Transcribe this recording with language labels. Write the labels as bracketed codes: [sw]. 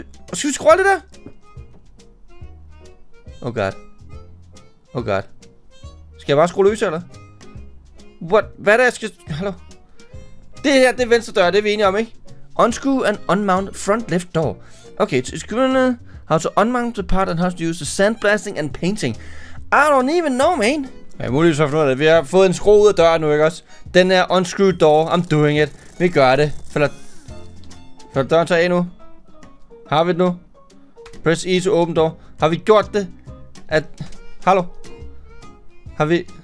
[da] Og skal vi scrolle det der? [en] Oh god. Oh god. [da] Skal jeg bare skrue løs, eller? [en] What? [da] Hvad er det, jeg skal... Hallo? Det her, det er venstre dør, det er vi enige om, ikke? [en] Unscrew and unmount front left door. Okay, it's gonna... How to unmount the part and how to use the sandblasting and painting. I don't even know, man. [da] Ja, muligvis har vi fundet det. Vi har fået en skrue ud af døren nu, ikke også? Den her [en] unscrew door, I'm doing it. [da] Vi gør det. Følger døren tager af nu? Har vi det nu? [en] Press E to open door. [da] Har vi gjort det? At... Hallo? Har vi...